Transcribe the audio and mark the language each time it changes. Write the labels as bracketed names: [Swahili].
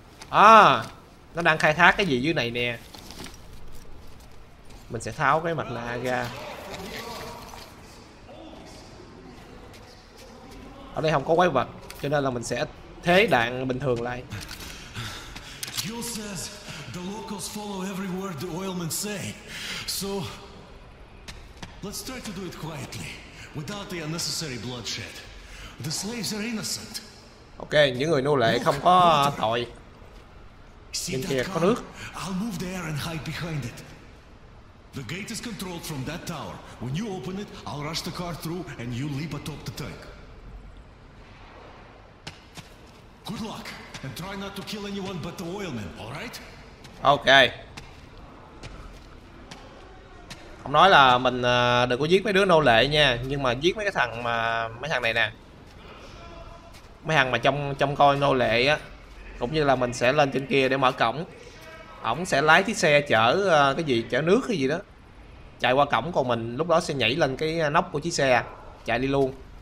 [Vietnamese] À, nó đang khai thác cái gì dưới này nè. Mình sẽ tháo cái mặt nạ ra. Ở đây không có quái vật, cho nên là mình sẽ thế đạn bình thường lại. [English] Gil says the locals follow every word the oilmen say. So let's try to do it quietly, without the unnecessary bloodshed. The slaves are innocent. [Vietnamese] Ok, những người nô lệ không có tội. Nhìn kìa, có nước. [English] I'll move there and hide behind it. The gate is controlled from that tower. When you open it, I'll rush the car through and you leap atop the tank. Good luck and try not to kill anyone but the oilmen, all right? Ok. [Vietnamese] Ông nói là mình đừng có giết mấy đứa nô lệ nha, nhưng mà giết mấy cái thằng mà mấy thằng này nè. Mấy thằng mà trong coi nô lệ á, cũng như là mình sẽ lên trên kia để mở cổng. Ổng sẽ lái chiếc xe chở cái gì, chở nước cái gì đó. Chạy qua cổng, còn mình lúc đó sẽ nhảy lên cái nóc của chiếc xe, chạy đi luôn.